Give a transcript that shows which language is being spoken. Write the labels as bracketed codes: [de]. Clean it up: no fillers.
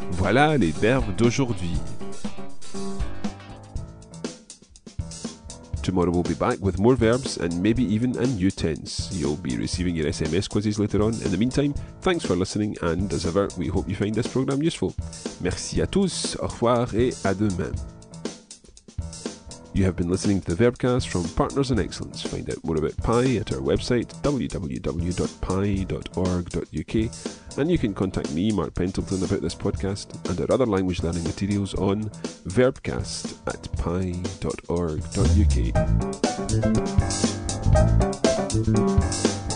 [fr] Voilà les verbes d'aujourd'hui. [en] Tomorrow we'll be back with more verbs and maybe even a new tense. You'll be receiving your SMS quizzes later on. In the meantime, thanks for listening, and as ever, we hope you find this program useful. [fr] Merci à tous, au revoir et à demain. [en] You have been listening to the Verbcast from Partners in Excellence. Find out more about PI at our website, www.pi.org.uk, and you can contact me, Mark Pendleton, about this podcast and our other language learning materials on verbcast@pi.org.uk.